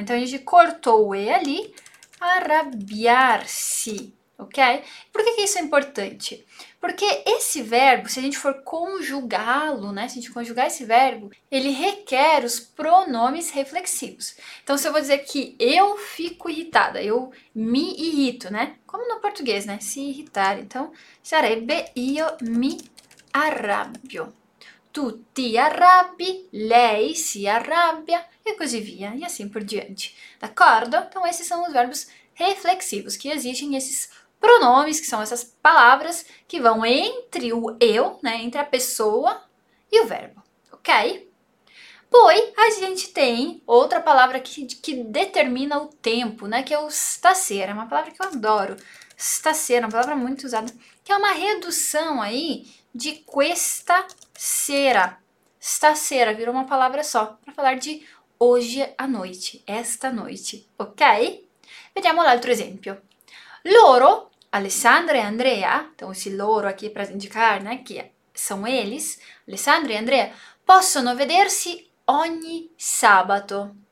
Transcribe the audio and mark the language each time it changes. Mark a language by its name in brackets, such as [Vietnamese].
[Portuguese] Então a gente cortou o e ali, arrabbiarsi, ok? Por que que isso é importante? Porque esse verbo, se a gente for conjugá-lo, né? Se a gente conjugar esse verbo, ele requer os pronomes reflexivos. Então, se eu vou dizer que eu fico irritada, eu me irrito, né? Como no português, né? Se irritar. Então, [Italian] sarebbe io mi arrabbio. Tu ti arrabbi, lei si arrabbia e così via. [Portuguese] E assim por diante. D'accordo? Então, esses são os verbos reflexivos que exigem esses pronomes, que são essas palavras que vão entre o eu, né, entre a pessoa e o verbo, ok? Poi a gente tem outra palavra que determina o tempo, né, que é o stasera, é uma palavra que eu adoro. Stasera, uma palavra muito usada, que é uma redução aí de questa sera. Stasera virou uma palavra só para falar de hoje à noite, esta noite, ok? [Italian] Vediamo l'altro esempio. [Portuguese] Loro Alessandro e Andrea, então esse loro aqui para indicar, né, che sono eles, Alessandro e Andrea, [Italian] possono vedersi ogni sabato.